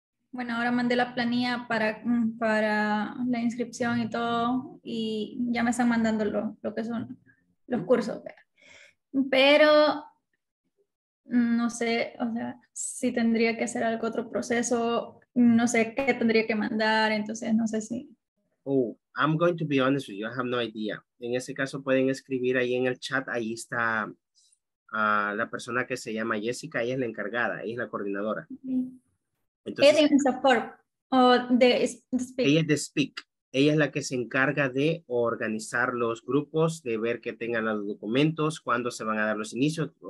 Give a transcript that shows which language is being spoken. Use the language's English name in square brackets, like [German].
[Spanish] Bueno, ahora mandé la planilla para la inscripción y todo, y ya me están mandando lo que son los cursos. Pero no sé, o sea, si tendría que hacer algo otro proceso, no sé qué tendría que mandar, entonces no sé si... [English] Oh, I'm going to be honest with you, I have no idea. [Spanish] En ese caso pueden escribir ahí en el chat, ahí está la persona que se llama Jessica, ella es la encargada, ella es la coordinadora. Okay. Entonces, ella es de speak. Ella es la que se encarga de organizar los grupos, de ver que tengan los documentos, cuándo se van a dar los inicios.